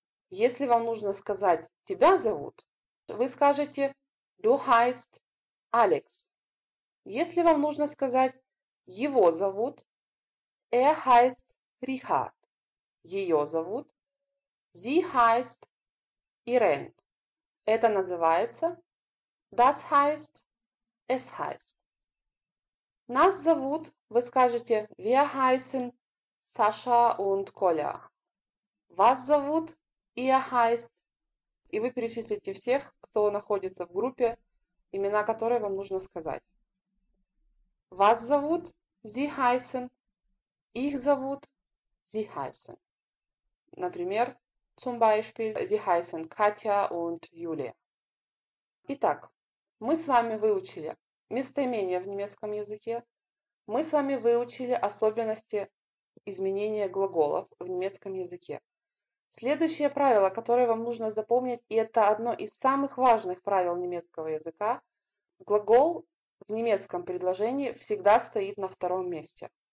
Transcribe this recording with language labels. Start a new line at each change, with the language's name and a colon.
Russian: Если вам нужно сказать «тебя зовут», вы скажете
German: «Du heißt Alex».
Russian: Если вам нужно сказать «его зовут»,
German: «er heißt Richard»,
Russian: «ее зовут»,
German: «sie heißt Irene».
Russian: Это называется «das heißt», «es heißt». Нас зовут, вы скажете
German: «Wir heißen Sascha und Kolja».
Russian: Вас зовут
German: «Ihr heißt».
Russian: И вы перечислите всех, кто находится в группе, имена которой вам нужно сказать. Вас зовут
German: «Sie heißen».
Russian: Их зовут «Sie heißen». Например,
German: zum Beispiel «Sie heißen Katja und Julia».
Russian: Итак, мы с вами выучили местоимения в немецком языке. Мы с вами выучили особенности изменения глаголов в немецком языке. Следующее правило, которое вам нужно запомнить, и это одно из самых важных правил немецкого языка, глагол в немецком предложении всегда стоит на втором месте.